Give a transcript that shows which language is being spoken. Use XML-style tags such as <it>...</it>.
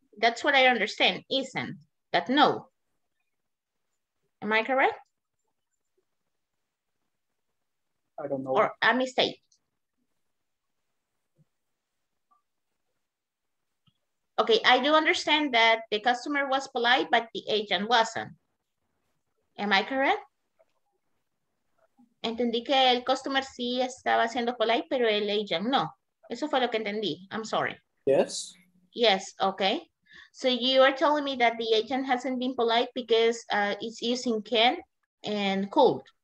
<en>That's what I understand, isn't, that no. Am I correct? know. Or a mistake. Okay, I do understand that the customer was polite, but the agent wasn't. Am I correct?</en> <es>Entendí que el customer sí estaba siendo polite, pero el agent no. Eso fue lo que entendí.</es> <en>I'm sorry. Yes. Yes, okay. So you are telling me that the agent hasn't been polite because it's using can and could.</en>